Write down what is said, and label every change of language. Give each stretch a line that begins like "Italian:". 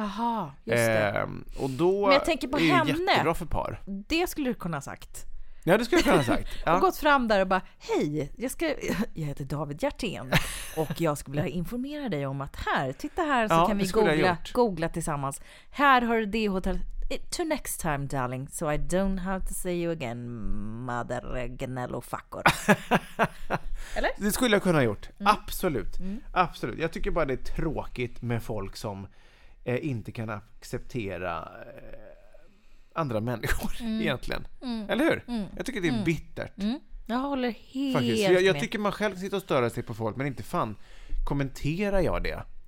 Swedish: Aha, just det. Och då, men jag tänker på det är henne. Jättebra för par. Det skulle du kunna ha sagt. Ja, det skulle jag kunna ha sagt. Ja. Och gått fram där och bara, hej, jag heter David Hjertén och jag skulle vilja informera dig om att här, titta här, så ja, kan vi googla tillsammans. Här har du det hotellet.
English: To next time, darling, so I don't have to see you again, mother gnello fuckor.
Swedish: Eller? Det skulle jag kunna ha gjort. Mm. Absolut. Mm. Absolut. Jag tycker bara det är tråkigt med folk som inte kan acceptera andra människor egentligen. Mm. Eller hur? Mm. Jag tycker det är bittert. Mm. Jag håller helt med. Jag tycker man själv sitter och stör sig på folk, men inte fan kommenterar jag det.